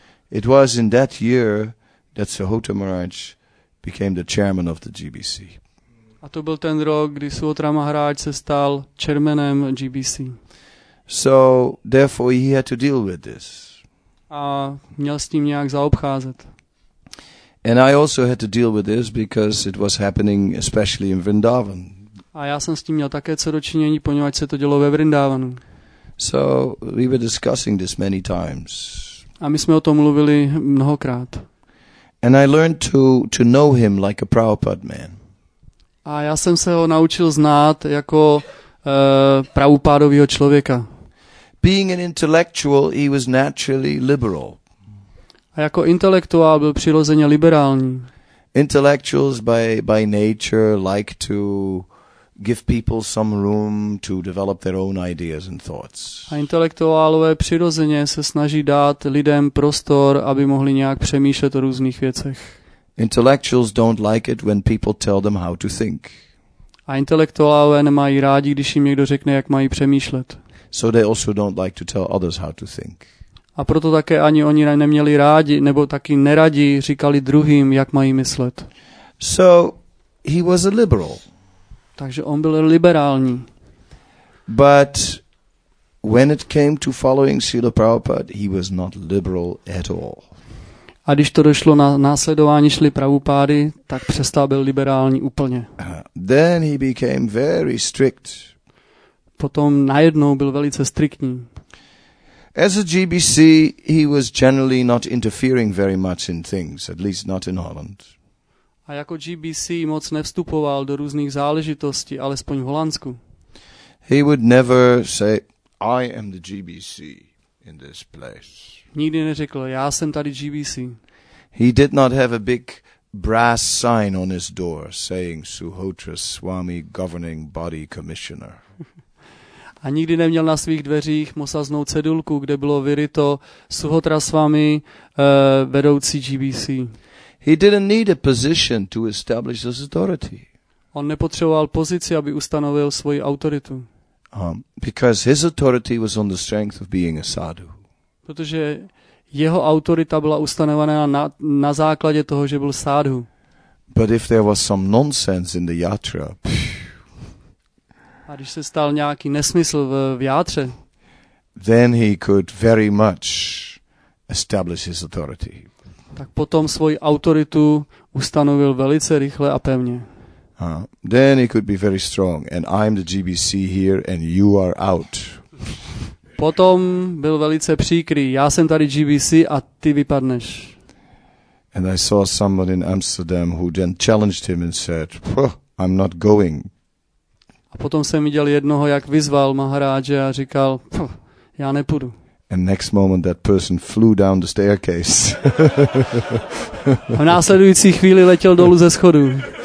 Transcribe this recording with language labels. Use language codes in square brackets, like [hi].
[en] It was in that year that Suhota Maharaj became the chairman of the GBC. [cs] A to byl ten rok, kdy Suhota Maharaj se stal chairmanem GBC. [en] So therefore he had to deal with this. [cs] A měl s tím nějak zaobcházet. [en] And I also had to deal with this because it was happening especially in Vrindavan. [cs] A já jsem s tím měl také co dočinění, poněvadž se to dělo ve Vrindavanu. [en] So we were discussing this many times. [cs] A my jsme o tom mluvili mnohokrát. [en] And I learned to know him like a Prabhupada man. [cs] A já jsem se ho naučil znát jako pravupádovýho člověka. [en] Being an intellectual, he was naturally liberal. [cs] A jako intelektuál byl přirozeně liberální. [en] Intellectuals by nature like to give people some room to develop their own ideas and thoughts. [cs] A intelektuálové přirozeně se snaží dát lidem prostor, aby mohli nějak přemýšlet o různých věcech. [en] Intellectuals don't like it when people tell them how to think. [cs] A intelektuálové nemají rádi, když jim někdo řekne, jak mají přemýšlet. [en] So they also don't like to tell others how to think. [cs] A proto také ani oni neměli rádi, nebo taky neradi říkali druhým, jak mají myslet. [en] So he was a liberal. [cs] Takže on byl liberální. [en] But when it came to following Srila Prabhupada, he was not liberal at all. [cs] A když to došlo na následování Šli Prabhupády, tak přestal byl liberální úplně. [en] Then he became very strict. [cs] Potom najednou byl velice striktní. [en] As a GBC, he was generally not interfering very much in things, at least not in Holland. [cs] A jako GBC moc nevstupoval do různých záležitostí, alespoň v Holandsku. [en] He would never say, I am the GBC in this place. [cs] Nikdy neřekl, já jsem tady GBC. [en] He did not have a big brass sign on his door saying Suhotra Swami Governing Body Commissioner. [cs] A nikdy neměl na svých dveřích mosaznou cedulku, kde bylo vyryto Suhotra Swami vedoucí GBC. [en] He didn't need a position to establish his authority. [cs] On nepotřeboval pozici, aby ustanovil svoji autoritu. [en] Because his authority was on the strength of being a sadhu. [cs] Protože jeho autorita byla ustanovena na základě toho, že byl sádhu. [en] But if there was some nonsense in the yatra. [cs] A když se stal nějaký nesmysl v játře. [en] Then he could very much establish his authority. [cs] Tak potom svoji autoritu ustanovil velice rychle a pevně. [en] Then he could be very strong and I'm the GBC here and you are out. [cs] Potom byl velice příkrý. Já jsem tady GBC a ty vypadneš. [en] And I saw someone in Amsterdam who then challenged him and said, I'm not going. [cs] A potom jsem viděl jednoho, jak vyzval Maharáže a říkal, já nepůjdu. [en] And next moment that person flew down the staircase. [cs] V následující chvíli letěl dolů ze schodů.